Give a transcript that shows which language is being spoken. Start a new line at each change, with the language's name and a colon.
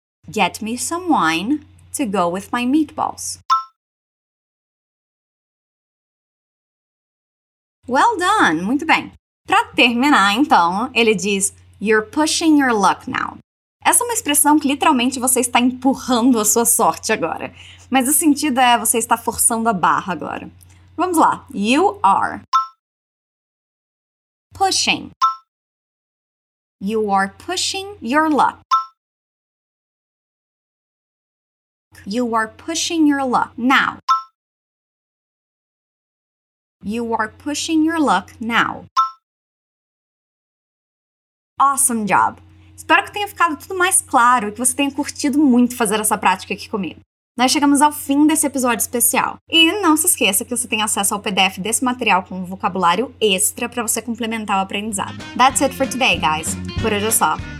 English: Get me some wine to go with my meatballs. Well done,
Portuguese: muito bem. Pra terminar, então, ele diz,
English: you're pushing your luck now.
Portuguese: Essa é uma expressão que literalmente você está empurrando a sua sorte agora. Mas o sentido é você está forçando a barra agora. Vamos lá.
English: You are pushing. You are pushing your luck. You are pushing your luck now. You are pushing your luck now. Awesome job!
Portuguese: Espero que tenha ficado tudo mais claro e que você tenha curtido muito fazer essa prática aqui comigo. Nós chegamos ao fim desse episódio especial. E não se esqueça que você tem acesso ao PDF desse material com vocabulário extra para você complementar o aprendizado.
English: That's it for today, guys.
Portuguese: Por hoje é só.